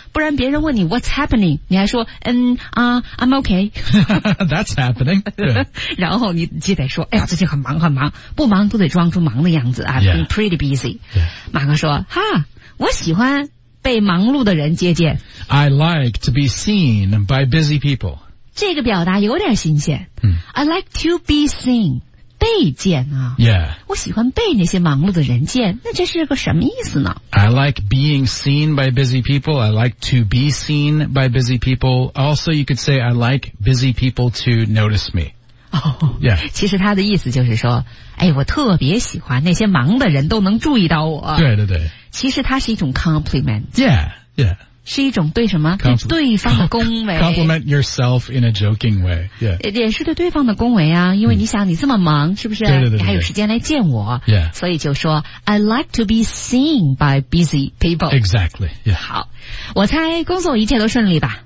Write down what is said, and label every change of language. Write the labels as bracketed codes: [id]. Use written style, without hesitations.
[zh] 不然别人问你 what's happening, 你还说 I'm okay. [en] That's happening. [zh] 然后你记得说哎呀最近很忙很忙不忙都得装出忙的样子啊 [en] ,I've been pretty busy.、 Yeah. [zh] 马克说哈我喜欢被忙碌的人接见。 [en] I like to be seen by busy people. 这个表达有点新鲜。 I like to be seen. [zh] 被见啊 [en] ，Yeah， [zh] 我喜欢被那些忙碌的人见，那这是个什么意思呢 [en] ？I like being seen by busy people. I like to be seen by busy people. Also, you could say I like busy people to notice me. Oh, yeah. [zh] 其实他的意思就是说，哎，我特别喜欢那些忙的人都能注意到我。对对对。其实它是一种 compliment. [en] Yeah, yeah. [zh] 是一种对什么对方的恭维 [en] compliment yourself in a joking way、yeah. [zh] 也是对对方的恭维啊因为你想你这么忙是不是对对对对你还有时间来见我、 [en] yeah. [zh] 所以就说 I like to be seen by busy people [en] exactly、yeah. [zh] 好我猜工作一切都顺利吧